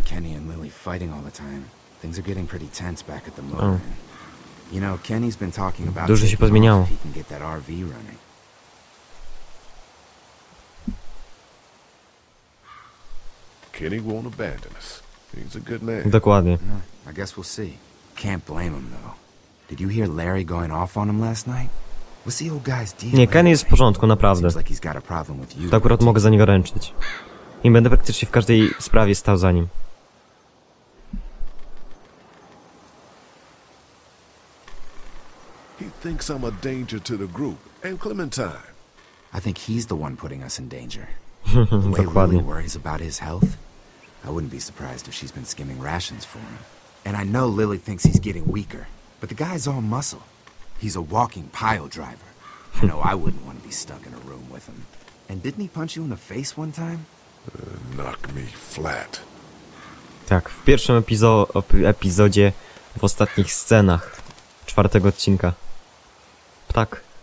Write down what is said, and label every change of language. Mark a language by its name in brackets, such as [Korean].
[English] Kenny and Lily fighting all the time. Things are getting pretty tense back at the moor. You know, Kenny's been talking about [Polish] dużo się pozmieniało. [English] He can get that RV running. Kenny won't abandon us. He's a good man. [Polish] Dokładnie. [English] I guess we'll see. Can't blame him though. Did you hear Larry going off on him last night? What's the old guy's deal? [Polish] Nie, Kenny jest w porządku, naprawdę. [English] Seems like he's got a problem with you. [Polish] To akurat mogę za niego ręczyć. I będę praktycznie w każdej sprawie stał za nim. [English] He thinks I'm a danger to the group and Clementine. I think he's the one putting us in danger. The way Lily worries about his health. I wouldn't be surprised if she's been skimming rations for him. And I know Lily thinks he's getting weaker, but the guy's all muscle. He's a walking pile driver. I know I wouldn't want to be stuck in a room with him. And didn't he punch you in the face one time? Knock me flat. [Polish] Tak, w pierwszym epizodzie, w ostatnich scenach 4 odcinka. Ptak.